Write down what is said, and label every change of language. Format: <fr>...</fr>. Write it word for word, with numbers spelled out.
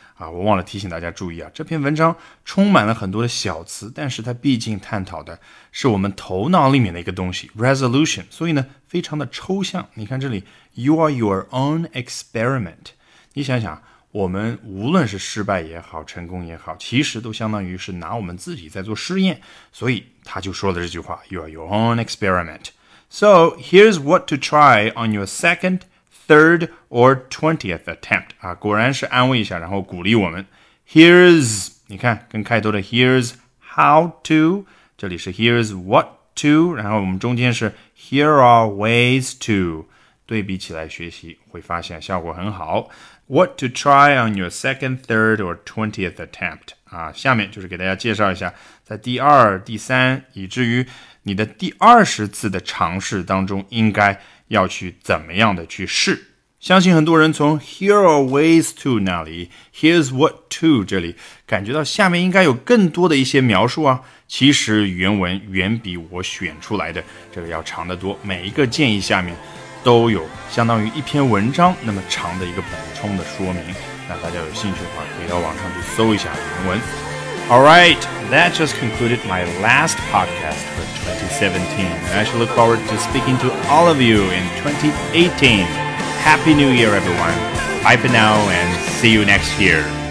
<zh>啊，我忘了提醒大家注意啊，这篇文章充满了很多的小词，但是它毕竟探讨的是我们头脑里面的一个东西 resolution， 所以呢非常的抽象。你看这里</zh> <en>You are your own experiment，</en> <zh>你想想，我们无论是失败也好，成功也好，其实都相当于是拿我们自己在做试验，所以他就说了这句话 You are your own experiment.</zh> <en>So here's what to try on your second, third, or twentieth attempt.</en> <zh>啊，果然是安慰一下，然后鼓励我们。 Here's， 你看，跟开头的</zh> <en>Here's how to，</en> <zh>这里是</zh> <en>Here's what to，</en> <zh>然后我们中间是</zh> <en>Here are ways to。</en> <zh>对比起来学习会发现效果很好。</zh> <en>What to try on your second, third, or twentieth attempt</en> <zh>啊，下面就是给大家介绍一下，在第二、第三，以至于你的第二十次的尝试当中，应该要去怎么样的去试。相信很多人从</zh> <en>here are ways to</en> <zh>那里</zh> <en>here's what to</en> <zh>这里感觉到下面应该有更多的一些描述啊，其实原文远比我选出来的这个要长得多，每一个建议下面都有相当于一篇文章那么长的一个补充的说明，那大家有兴趣的话可以到网上去搜一下原文。</zh> <en>Alright, that just concluded my last podcast for twenty seventeen. I shall look forward to speaking to all of you in twenty eighteen. Happy New Year everyone. Bye for now and see you next year.</en>